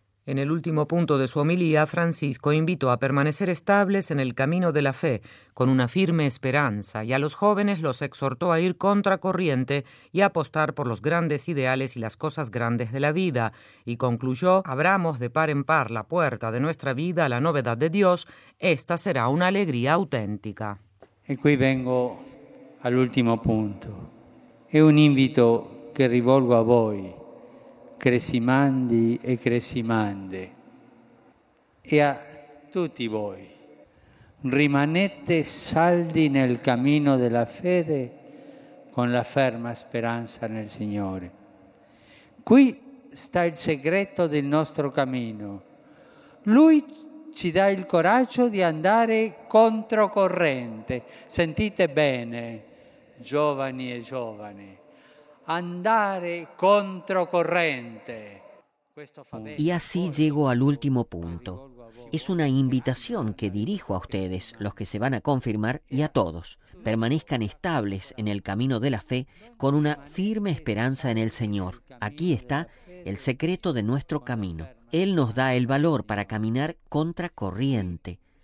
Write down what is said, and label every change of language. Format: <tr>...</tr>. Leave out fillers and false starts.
<es>En el último punto de su homilía, Francisco invitó a permanecer estables en el camino de la fe, con una firme esperanza, y a los jóvenes los exhortó a ir contracorriente y a apostar por los grandes ideales y las cosas grandes de la vida, y concluyó: abramos de par en par la puerta de nuestra vida a la novedad de Dios, esta será una alegría auténtica. Y aquí vengo al último punto.</es> <it>Es un invito que rivolgo a voi, crescimandi e crescimande, e a tutti voi: rimanete saldi nel cammino della fede con la ferma speranza nel Signore. Qui sta il segreto del nostro cammino. Lui ci dà il coraggio di andare controcorrente. Sentite bene, giovani e giovani. Andare controcorrente.</it> <es>Y así llego al último punto. Es una invitación que dirijo a ustedes, los que se van a confirmar, y a todos. Permanezcan estables en el camino de la fe con una firme esperanza en el Señor. Aquí está el secreto de nuestro camino. Él nos da el valor para caminar contracorriente.</es>